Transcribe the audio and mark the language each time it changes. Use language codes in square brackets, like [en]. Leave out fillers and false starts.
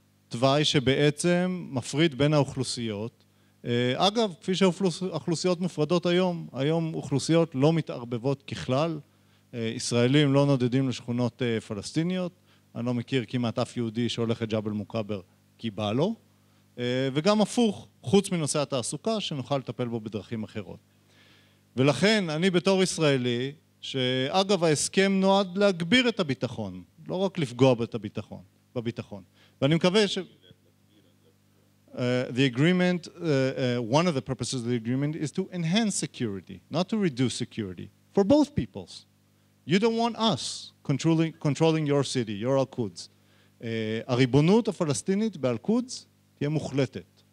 [he] תוואי שבעצם מפריד בין האוכלוסיות, אגב, כפי שהאוכלוסיות מופרדות היום, היום אוכלוסיות לא מתערבבות ככלל, ישראלים לא נודדים לשכונות פלסטיניות, אני לא מכיר כמעט אף יהודי שהולך את ג'בל מוקבר כי בא לו, וגם הפוך, חוץ מנושא התעסוקה, שנוכל לטפל בו בדרכים אחרות. ולכן, אני בתור ישראלי, שאגב, ההסכם נועד להגביר את הביטחון, לא רק לפגוע בביטחון, ואני מקווה ש... [en] the agreement, one of the purposes of the agreement is to enhance security, not to reduce security, for both peoples. You don't want us controlling your city, your Al-Quds. [he] הריבונות הפלסטינית באל-Quds תהיה מוחלטת.